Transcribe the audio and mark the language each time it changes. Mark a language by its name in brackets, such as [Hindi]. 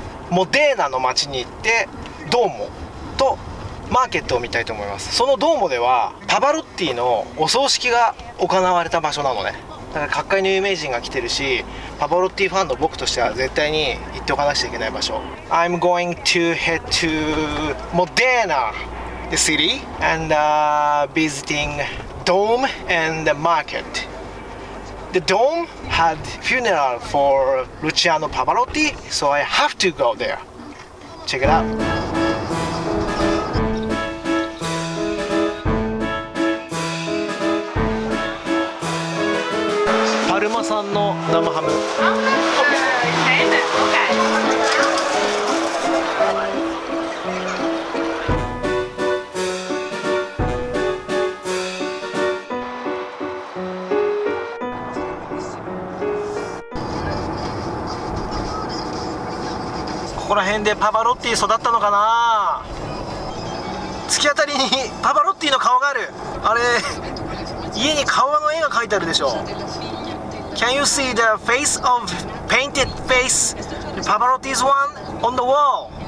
[Japanese] モデーナの街に行ってドーモとマーケットを見たいと思います。そのドーモではパバロッティのお葬式が行われた場所なのね。だから各界の有名人が来てるし、パバロッティファンの僕としては絶対に行っておかなくちゃいけない場所。 [English] I'm going to head to Modena the city and visiting Dome and the market. The Dome had funeral for Luciano Pavarotti, so I have to go there. Check it out. [Japanese] さんの生ハム。ここら辺でパバロッティ育ったのかな。突き当たりにパバロッティの顔がある。あれ、家に顔の絵が描いてあるでしょ。 [English] Can you see the face of painted face, Pavarotti's one on the wall?